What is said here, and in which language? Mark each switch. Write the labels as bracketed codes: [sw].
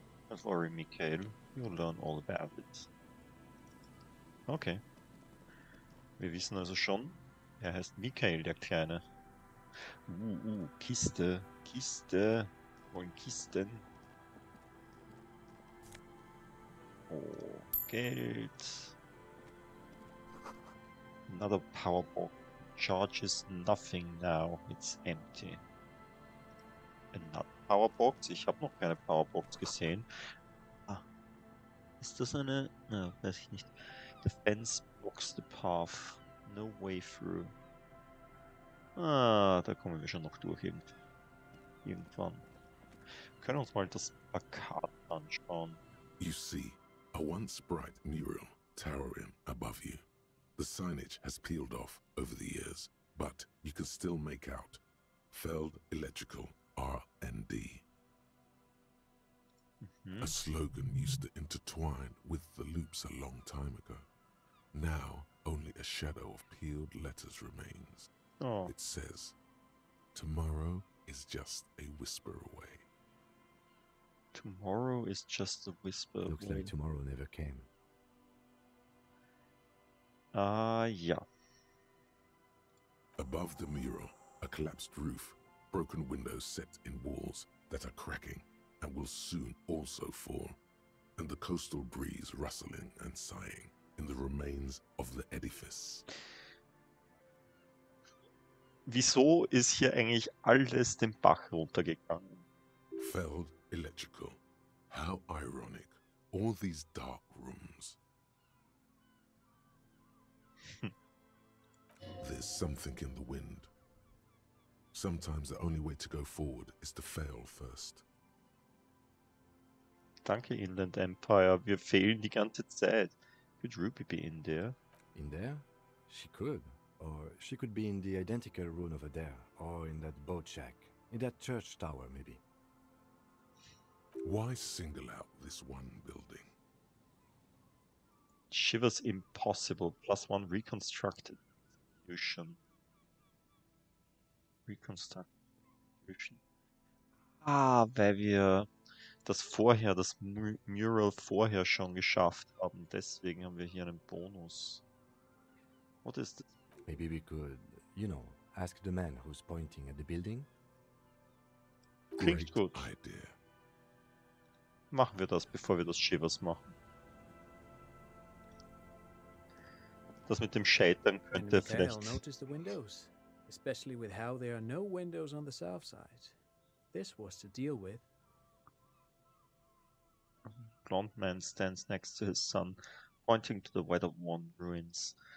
[en] Don't worry, Michael, you'll learn all about it. Okay. [de] Wir wissen also schon, er heißt Michael, der Kleine. Kiste. Kiste. Wollen Kisten. Oh, Geld. [en] Another Powerball. Charges nothing now. It's empty. Another Powerbox? [de] Ich habe noch keine Powerbox gesehen. Ah. Ist das eine? Na, no, weiß ich nicht. [en] The fence blocks the path. No way through. [de] Ah, da kommen wir schon noch durch irgendwann. Können wir uns mal das Plakat anschauen. [en] You see, a once bright mural towering above you. The signage has peeled off over the years, but you can still make out Feld Electrical R&D. Mm-hmm. A slogan used to intertwine with the loops a long time ago. Now, only a shadow of peeled letters remains. Oh. It says, tomorrow is just a whisper away. Tomorrow is just a whisper away. Looks like tomorrow never came. Yeah. Above the mural, a collapsed roof, broken windows set in walls that are cracking and will soon also fall, and the coastal breeze rustling and sighing. In the remains of the edifice. [de] Wieso ist hier eigentlich alles den Bach runtergegangen? [en] Feld Electrical. How ironic. All these dark rooms. There's something in the wind. Sometimes the only way to go forward is to fail first. [de] Danke, Inland Empire. Wir fehlen die ganze Zeit. [en] Could Ruby be in there? In there? She could. Or she could be in the identical room over there. Or in that boat shack. In that church tower, maybe. Why single out this one building? Shivers impossible. Plus one reconstructed. Fusion. Reconstruction. [de] Ah, weil wir das Mural vorher schon geschafft haben. Deswegen haben wir hier einen Bonus. [en] What is this? Maybe we could, you know, ask the man who's pointing at the building. [de] Klingt [en] Great [de] gut. [en] Idea. [de] Machen wir das, bevor wir das Shivers machen. Das mit dem Scheitern könnte vielleicht. [en] Notice the windows, especially with how there are no windows on the south side. This was to deal with. Blond man stands next to his son, pointing to the weather-worn ruins.